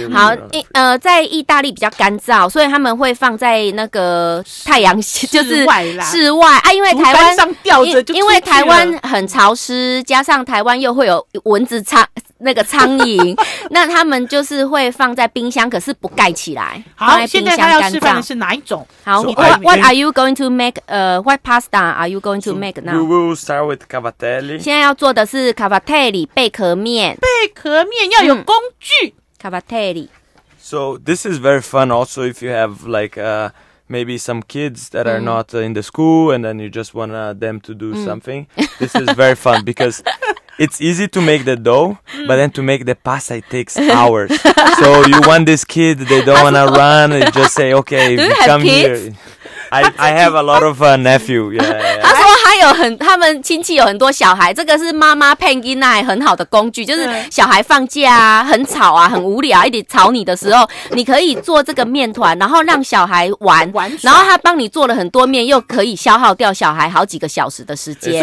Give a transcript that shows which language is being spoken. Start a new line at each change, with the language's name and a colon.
Chinese: 好，在意大利比较干燥，所以他们会放在那个太阳就是室外啊，因为台湾上吊着，因为台湾很潮湿，加上台湾又会有蚊子苍那个苍蝇，那他们就是会放在冰箱，可是不盖起来。好，放在冰箱现在他要示范的是哪一种？好、
English: what are you going to make? What pasta are you going to make now? We will start with cavatelli.
Chinese: 现在要做的是 cavatelli 贝壳面。贝壳面要有工具。
English: Cavatelli. So this is very fun. Also, if you have like maybe some kids that are not in the school, and then you just want them to do something, this is very fun because. It's easy to make the dough, but then to make the pasta, it takes hours. So you want this kid, they don't want to run, and just say, okay, come here. I have a lot of nephew. Yeah.
Chinese: 他说他有很他们亲戚有很多小孩，这个是妈妈陪囡仔很好的工具，就是小孩放假啊，很吵啊，很无聊，一直吵你的时候，你可以做这个面团，然后让小孩玩，然后他帮你做了很多面，又可以消耗掉小孩好几个小时的时间。